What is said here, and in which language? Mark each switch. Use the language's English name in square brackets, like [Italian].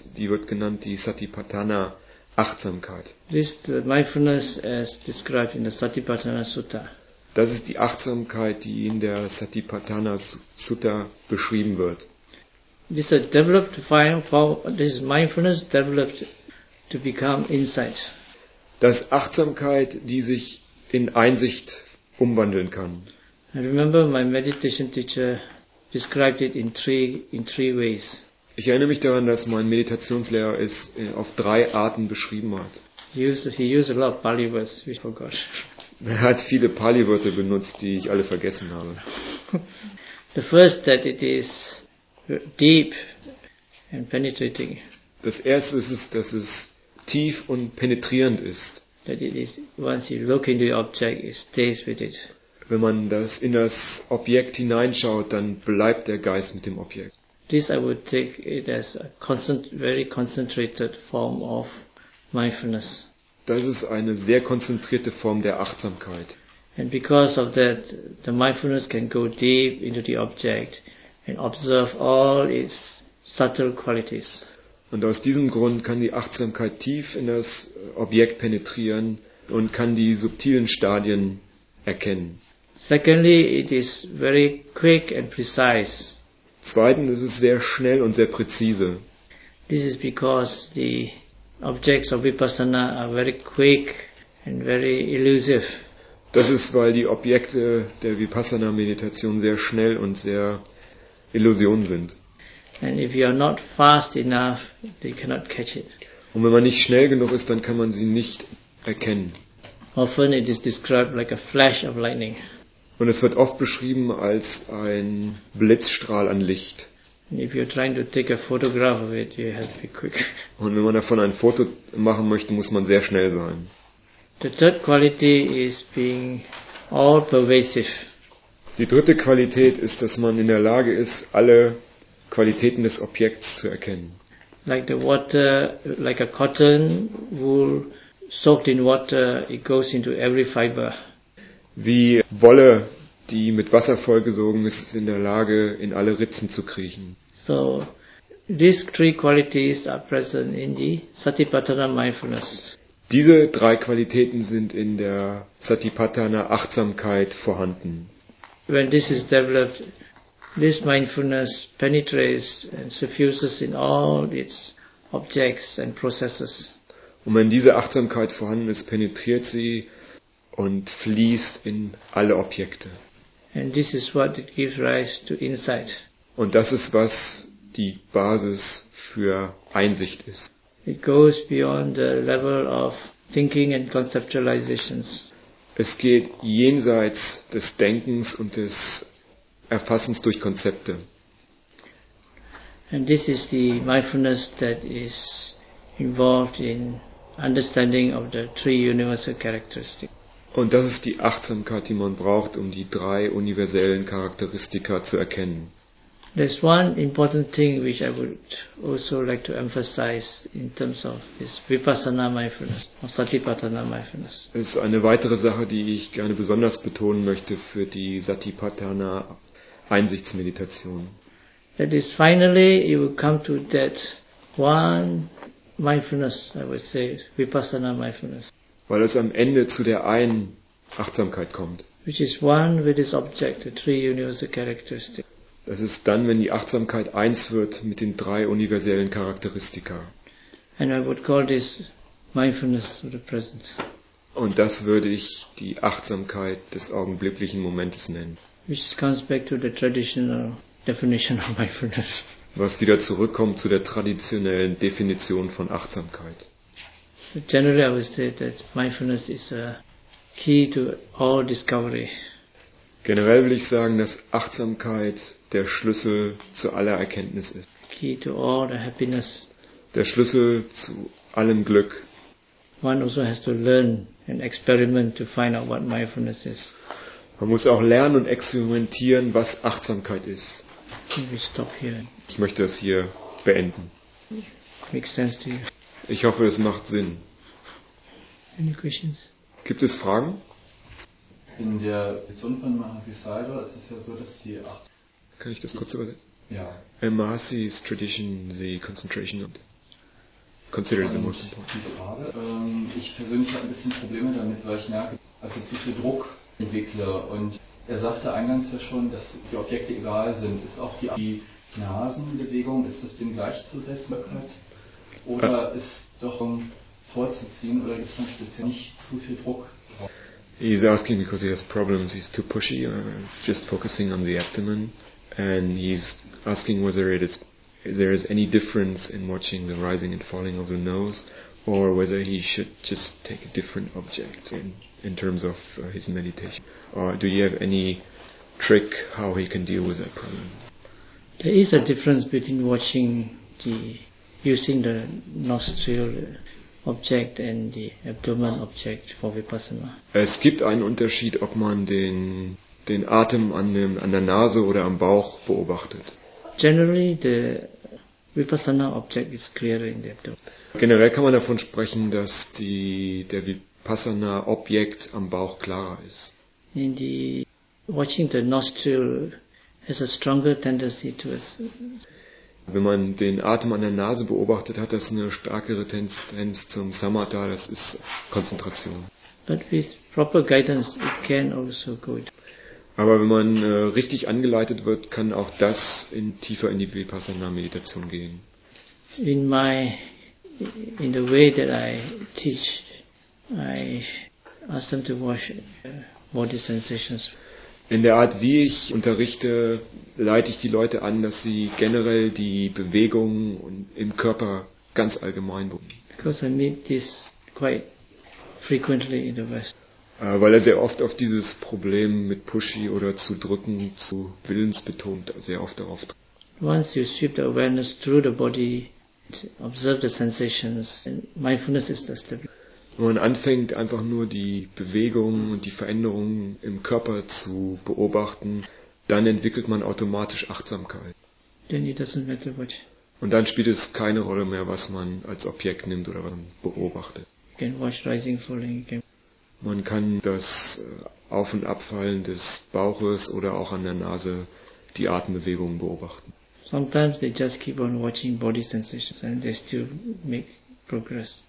[German] Die wird genannt die Satipatthana Achtsamkeit. [English] This is the mindfulness as described in the Satipatthana Sutta. [German] Das ist die Achtsamkeit, die in der Satipatthana Sutta beschrieben wird. [English] This is a developed form. This is mindfulness developed to become insight. [German] Das Achtsamkeit, die sich in Einsicht umwandeln kann. [English] I remember my meditation teacher described it in three ways. [German] Ich erinnere mich daran, dass mein Meditationslehrer es auf drei Arten beschrieben hat. [English] He used a lot of Pali words, which I forgot. [German] Er hat viele Pali-Wörter benutzt, die ich alle vergessen habe. [English] The first that it is deep and penetrating. [German] Das erste ist es, dass es tief und penetrierend ist. [English] That it is, once you look into the object, it stays with it. [German] Wenn man das in das Objekt hineinschaut, dann bleibt der Geist mit dem Objekt. [English] This I would take it as a very concentrated form of mindfulness. [German] Das ist eine sehr konzentrierte Form der Achtsamkeit. [English] And because of that, the mindfulness can go deep into the object and observe all its subtle qualities. [German] Und aus diesem Grund kann die Achtsamkeit tief in das Objekt penetrieren und kann die subtilen Stadien erkennen. [English] Secondly, it is very quick and precise. [German] Zweitens, es ist sehr schnell und sehr präzise. [English] This is because the objects of Vipassana are very quick and very elusive. [German] Das ist, weil die Objekte der Vipassana-Meditation sehr schnell und sehr Illusion sind. [English] And if you are not fast enough, they cannot catch it. [German] Und wenn man nicht schnell genug ist, dann kann man sie nicht erkennen. [English] Often it is described like a flash of lightning. [German] Und es wird oft beschrieben als ein Blitzstrahl an Licht. Und wenn man davon ein Foto machen möchte, muss man sehr schnell sein. [English] The third quality is being all pervasive. [German] Die dritte Qualität ist, dass man in der Lage ist, alle Qualitäten des Objekts zu erkennen. [English] Like the water, like a cotton wool soaked in water, it goes into every fiber. [German] Wie Wolle, die mit Wasser vollgesogen ist, ist in der Lage, in alle Ritzen zu kriechen. [English] So, these three qualities are present in the Satipatthana mindfulness. [German] Diese drei Qualitäten sind in der Satipatthana Achtsamkeit vorhanden. [English] When this is developed, this mindfulness penetrates and suffuses in all its objects and processes. [German] Und wenn diese Achtsamkeit vorhanden ist, penetriert sie und fließt in alle Objekte. [English] And this is what it gives rise to insight. [German] Und das ist, was die Basis für Einsicht ist. [English] It goes beyond the level of thinking and conceptualizations. [German] Es geht jenseits des Denkens und des Erfassens durch Konzepte. [English] And this is the mindfulness that is involved in understanding of the three universal characteristics. [German] Und das ist die Achtsamkeit, die man braucht, um die drei universellen Charakteristika zu erkennen. [English] There's one important thing which I would also like to emphasize in terms of this Vipassana mindfulness or Satipatthana mindfulness. [German] Es ist eine weitere Sache, die ich gerne besonders betonen möchte für die Satipatthana Einsichtsmeditation. [English] That is finally you will come to that one mindfulness, I would say, Vipassana mindfulness. [German] Weil es am Ende zu der einen Achtsamkeit kommt. [English] Which is one with this object, the three universal characteristics. [German] Das ist dann, wenn die Achtsamkeit eins wird mit den drei universellen Charakteristika. [English] And I would call this mindfulness of the present. [German] Und das würde ich die Achtsamkeit des augenblicklichen Momentes nennen. [English] Which comes back to the traditional definition of mindfulness. [German] Was wieder zurückkommt zu der traditionellen Definition von Achtsamkeit. [English] Generally, I would say that mindfulness is a key to all discovery. [German] Generell will ich sagen, dass Achtsamkeit der Schlüssel zu aller Erkenntnis ist. [English] Key to all the happiness. [German] Der Schlüssel zu allem Glück. [English] One also has to learn and experiment to find out what mindfulness is. [German] Man muss auch lernen und experimentieren, was Achtsamkeit ist. [English] Can we stop here? [German] Ich möchte das hier beenden. [English] Makes sense to you. [German] Ich hoffe, es macht Sinn. [English] Any questions? [German] Gibt es Fragen? In der Besonderen Mahasi Saiva ist es ja so, dass die Achtsamkeit... Kann ich das kurz übersetzen? Ja. [English] In Mahasi's Tradition, the concentration and considered the most important. [German] Die Frage, ich persönlich habe ein bisschen Probleme damit, weil ich merke, also zu viel Druck entwickle. Und er sagte eingangs ja schon, dass die Objekte egal sind. Ist auch die Nasenbewegung, ist das dem gleichzusetzen? Oder ist doch vorzuziehen, oder gibt es dann speziell nicht zu viel Druck? [English] He's asking because he has problems, he's too pushy, just focusing on the abdomen. And he's asking whether there is any difference in watching the rising and falling of the nose, or whether he should just take a different object in terms of his meditation. Or do you have any trick how he can deal with that problem? There is a difference between watching using the nostril object and the abdomen object for Vipassana. [German] Es gibt einen Unterschied, ob man den Atem an der Nase oder am Bauch beobachtet. [English] Generally, the Vipassana object is clearer in the abdomen. [German] Generell kann man davon sprechen, dass der Vipassana Objekt am Bauch klarer ist. [English] In the watching the nostril has a stronger tendency to us. [German] Wenn man den Atem an der Nase beobachtet, hat das eine stärkere Tendenz zum Samatha, das ist Konzentration. [English] But with proper guidance, it can also go. [German] Aber wenn man richtig angeleitet wird, kann auch das in tiefer in die Vipassana-Meditation gehen. [English] In the way that I teach, I ask them to watch body sensations. [German] In der Art, wie ich unterrichte, leite ich die Leute an, dass sie generell die Bewegungen im Körper ganz allgemein beobachten. Weil er sehr oft auf dieses Problem mit Pushy oder zu drücken, zu willensbetont sehr oft darauf trifft. [English] Once you sweep the awareness through the body, observe the sensations, and mindfulness is the step. [German] Wenn man anfängt, einfach nur die Bewegungen und die Veränderungen im Körper zu beobachten, dann entwickelt man automatisch Achtsamkeit. [English] Then it doesn't matter what. [German] Und dann spielt es keine Rolle mehr, was man als Objekt nimmt oder was man beobachtet. [English] You can watch rising, falling, you can. [German] Man kann das Auf- und Abfallen des Bauches oder auch an der Nase die Atembewegungen beobachten. [English] Sometimes they just keep on watching body sensations and they still make progress.